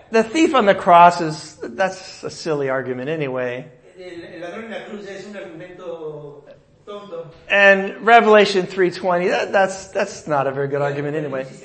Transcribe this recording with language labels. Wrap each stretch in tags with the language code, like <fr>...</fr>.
<en>The thief on the cross is, that's a silly argument anyway.</en> <es>El ladrón en la cruz es un argumento tonto.</es> <en>And Revelation 3:20, that's not a very good argument anyway.</en>